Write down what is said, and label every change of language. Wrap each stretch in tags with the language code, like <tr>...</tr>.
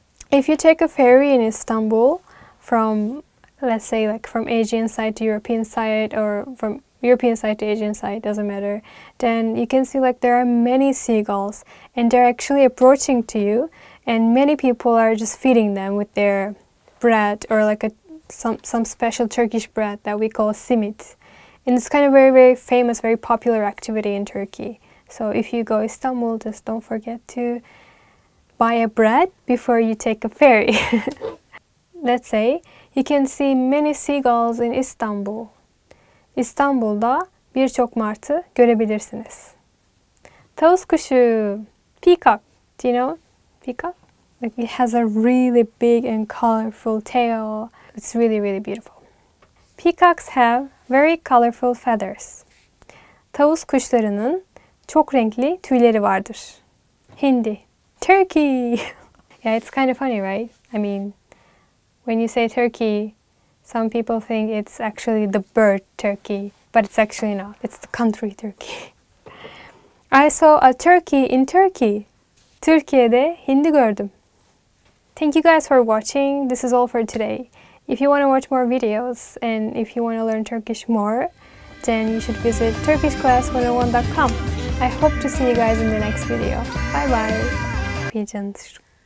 <en>If you take a ferry in Istanbul from, let's say, like from Asian side to European side, or from European side to Asian side, doesn't matter, then you can see like there are many seagulls, and they're actually approaching to you, and many people are just feeding them with their bread, or like a some special Turkish bread that we call simit. And it's kind of very, very famous, very popular activity in Turkey. So if you go to Istanbul, just don't forget to buy a bread before you take a ferry. Let's say you can see many seagulls in Istanbul.</en> <tr>İstanbul'da birçok martı görebilirsiniz. Tavus kuşu,</tr> <en>peacock. Do you know peacock? Like it has a really big and colorful tail. It's really, really beautiful. Peacocks have very colorful feathers.</en> <tr>Tavus kuşlarının çok renkli tüyleri vardır. Hindi, turkey.</tr> <en>Yeah, it's kind of funny, right? I mean, when you say turkey, some people think it's actually the bird turkey, but it's actually not. It's the country turkey. I saw a turkey in Turkey.</en> <tr>Türkiye'de hindi gördüm.</tr> <en>Thank you guys for watching. This is all for today. If you want to watch more videos and if you want to learn Turkish more, then you should visit turkishclass101.com. I hope to see you guys in the next video. Bye bye. Pigeons.</en>